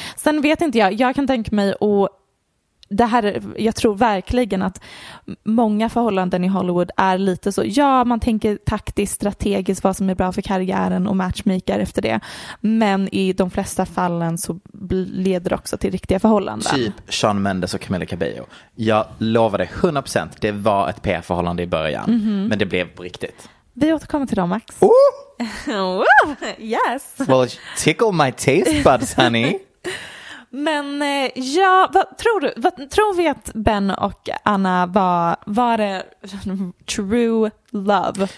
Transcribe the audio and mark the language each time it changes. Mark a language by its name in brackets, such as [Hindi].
[Swedish] Sen vet inte jag, jag kan tänka mig och det här, jag tror verkligen att många förhållanden i Hollywood är lite så, ja man tänker taktiskt, strategiskt vad som är bra för karriären och matchmaker efter det, men i de flesta fallen så leder det också till riktiga förhållanden. Typ Shawn Mendes och Camila Cabello. Jag lovar dig 100%, det var ett PR-förhållande i början, men det blev på riktigt. Vi återkommer till dem, Max. Oh! [English] Yes! Well, tickle my taste buds, honey. [Swedish] Men ja, tror vi att Ben och Anna var det [English] true love?